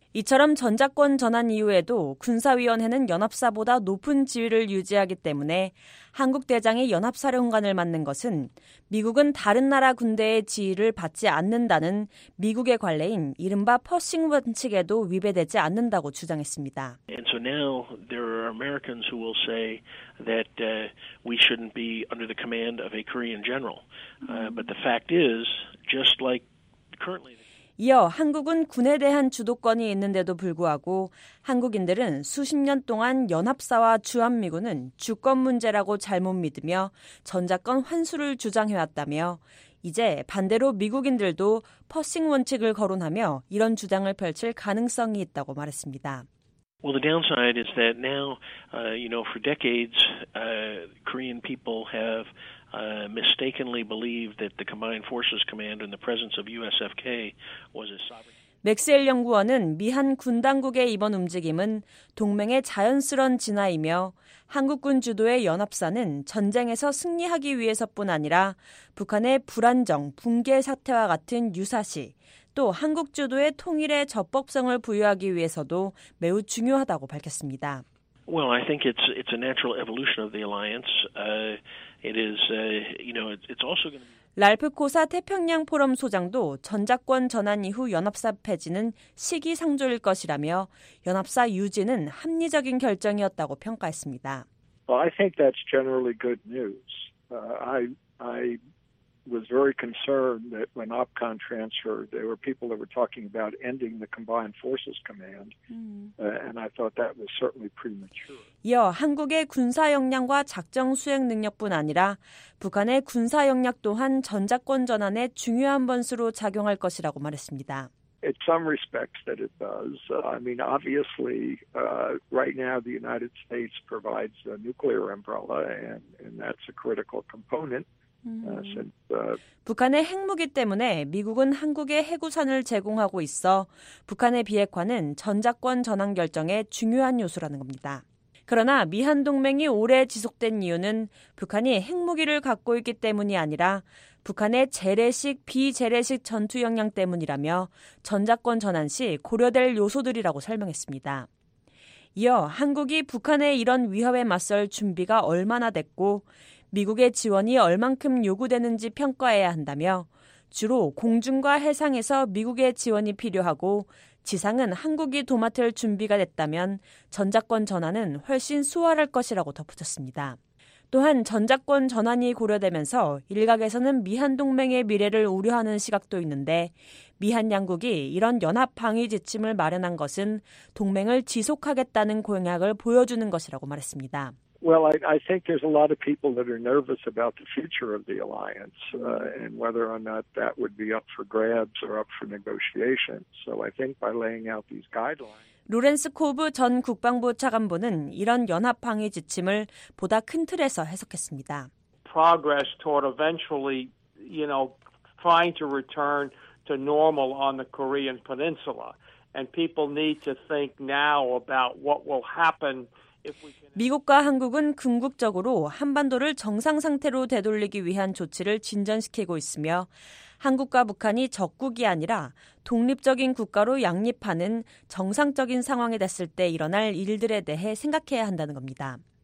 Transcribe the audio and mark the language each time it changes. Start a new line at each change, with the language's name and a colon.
Korean: 이처럼 전작권 전환 이후에도 군사위원회는 연합사보다 높은 지위를 유지하기 때문에 한국 대장이 연합사령관을 맡는 것은 미국은 다른 나라 군대의 지위를 받지 않는다는 미국의 관례인 이른바 퍼싱 원칙에도 위배되지 않는다고 주장했습니다.
English: And so now there are Americans who will say that we shouldn't be under the command of a Korean general. But the fact is, just like currently.
Korean: 이어 한국은 군에 대한 주도권이 있는데도 불구하고 한국인들은 수십 년 동안 연합사와 주한미군은 주권 문제라고 잘못 믿으며 전작권 환수를 주장해왔다며 이제 반대로 미국인들도 퍼싱 원칙을 거론하며 이런 주장을 펼칠 가능성이 있다고 말했습니다.
English: Well, the downside is that now, for decades, Korean people have mistakenly believed that the Combined Forces Command in the presence of USFK was a sovereign.
Korean: 맥스웰 연구원은 미한 군 당국의 이번 움직임은 동맹의 자연스러운 진화이며 한국군 주도의 연합사는 전쟁에서 승리하기 위해서뿐 아니라 북한의 불안정, 붕괴 사태와 같은 유사시, 또 한국 주도의 통일의 적법성을 부여하기 위해서도 매우 중요하다고 밝혔습니다.
English: Well, I think it's a natural evolution of the alliance. It's also going to.
Korean: 랄프 코사 태평양 포럼 소장도 전작권 전환 이후 연합사 폐지는 시기상조일 것이라며 연합사 유지는 합리적인 결정이었다고 평가했습니다.
English: Well, I think that's generally good news. I was very concerned that when OPCON transferred, there were people that were talking about ending the Combined Forces Command, and I thought that was certainly premature.
Korean: 이어 한국의 군사 역량과 작정 수행 능력뿐 아니라 북한의 군사 역량 또한 전작권 전환의 중요한 변수로 작용할 것이라고 말했습니다.
English: In some respects, that it does. Obviously, right now the United States provides a nuclear umbrella, and that's a critical component.
Korean: 북한의 핵무기 때문에 미국은 한국에 핵우산을 제공하고 있어 북한의 비핵화는 전작권 전환 결정의 중요한 요소라는 겁니다. 그러나 미한 동맹이 오래 지속된 이유는 북한이 핵무기를 갖고 있기 때문이 아니라 북한의 재래식, 비재래식 전투 역량 때문이라며 전작권 전환 시 고려될 요소들이라고 설명했습니다. 이어 한국이 북한의 이런 위협에 맞설 준비가 얼마나 됐고 미국의 지원이 얼만큼 요구되는지 평가해야 한다며 주로 공중과 해상에서 미국의 지원이 필요하고 지상은 한국이 도맡을 준비가 됐다면 전작권 전환은 훨씬 수월할 것이라고 덧붙였습니다. 또한 전작권 전환이 고려되면서 일각에서는 미한 동맹의 미래를 우려하는 시각도 있는데 미한 양국이 이런 연합 방위 지침을 마련한 것은 동맹을 지속하겠다는 공약을 보여주는 것이라고 말했습니다.
English: Well, I think there's a lot of people that are nervous about the future of the alliance and whether or not that would be up for grabs or up for negotiation. So I think by laying out these guidelines.
Korean: 로렌스 코브 전 국방부 차관보는 이런 연합 방위 지침을 보다 큰 틀에서 해석했습니다.
English: Progress toward eventually, you know, trying to return to normal on the Korean Peninsula. And people need to think now about what will happen.
Korean: 미국과 한국은 궁극적으로 한반도를 정상 상태로 되돌리기 위한 조치를 진전시키고 있으며 한국과 북한이 적국이 아니라 독립적인 국가로 양립하는 정상적인 상황이 됐을 때 일어날 일들에 대해 생각해야 한다는 겁니다.